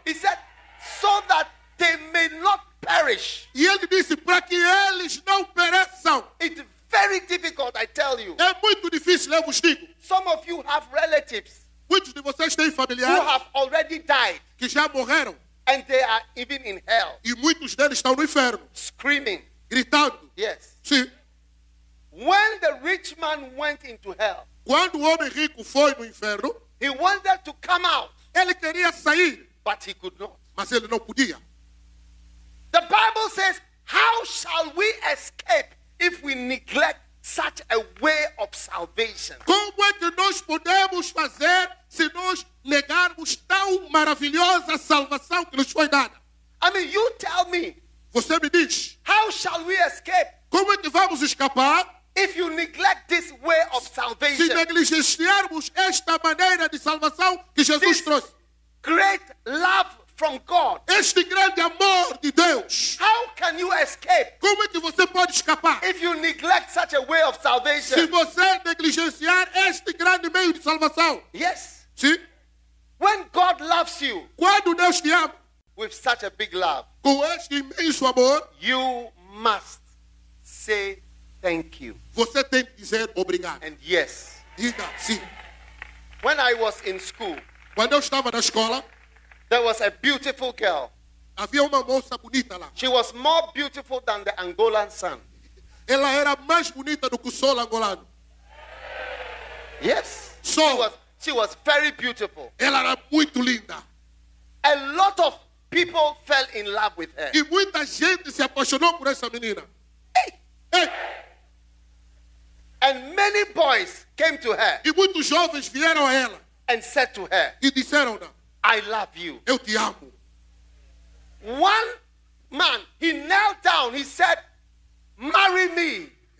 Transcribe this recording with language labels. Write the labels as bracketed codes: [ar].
[en] He said so that they may not perish. [pt] E ele disse para que eles não pereçam. [en] It's very difficult, I tell you. [pt] É muito difícil, eu vos digo. [en] Some of you have relatives. [pt] Muitos de vocês têm familiares [en] who have already died, [pt] que já morreram. [en] And they are even in hell, [pt] e muitos deles estão no inferno. [en] Screaming. [pt] Gritando. [en] Yes. [pt] Sim. [en] When the rich man went into hell, [pt] quando o homem rico foi no inferno, [en] he wanted to come out, [pt] ele queria sair. [en] But he could not. [pt] Mas ele não podia. [en] The Bible says, how shall we escape if we neglect such a way of salvation? [pt] Como é que nós podemos fazer se nós negarmos tão maravilhosa salvação que nos foi dada? [en] I mean, you tell me. [pt] Você me diz. [en] How shall we escape? [pt] Como é que vamos escapar? [en] If you neglect this way of salvation. [pt] Se negligenciarmos esta maneira de salvação que Jesus trouxe. [en] Great love from God. [pt] Este grande amor de Deus. [en] How can you escape? [pt] Como é que você pode escapar? [en] If you neglect such a way of salvation. [pt] Se você negligenciar este grande meio de salvação. [en] Yes. [pt] Sim. [en] When God loves you. [pt] Quando Deus te ama. [en] With such a big love. [pt] Com este imenso amor. [en] You must say thank you. [pt] Você tem que dizer obrigado. [en] And yes. [pt] Diga sim. [en] When I was in school. [pt] Quando eu estava na escola. [en] There was a beautiful girl. [pt] Havia uma moça bonita lá. [en] She was more beautiful than the Angolan sun. [pt] Ela era mais bonita do que o sol angolano. [en] Yes. So, she was very beautiful. [pt] Ela era muito linda. [en] A lot of people fell in love with her. [pt] E muita gente se apaixonou por essa menina. [en] Hey. And many boys came to her. [pt] E muitos jovens vieram a ela. [en] And said to her. [pt] E disseram-na. [en] I love you. [pt] Eu te amo. [en] One man, he knelt down, he said, marry me.